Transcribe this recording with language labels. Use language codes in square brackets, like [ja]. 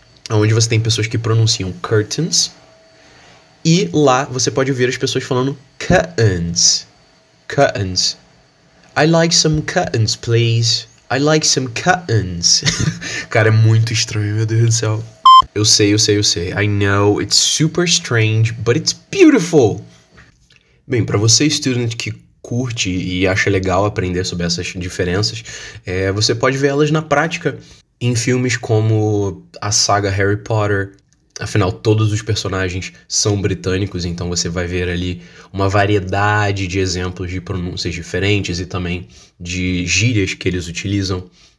[pt] Onde você tem pessoas que pronunciam curtains. E lá você pode ouvir as pessoas falando curtains. Curtains. [en] I like some curtains, please. I like some curtains. [pt] Cara, é muito estranho, meu Deus do céu. Eu sei. [en] I know, it's super strange, but it's beautiful. [pt] Bem, pra você, student, que curte e acha legal aprender sobre essas diferenças, você pode vê-las na prática. Em filmes como a saga Harry Potter, afinal, todos os personagens são britânicos, então você vai ver ali uma variedade de exemplos de pronúncias diferentes e também de gírias que eles utilizam.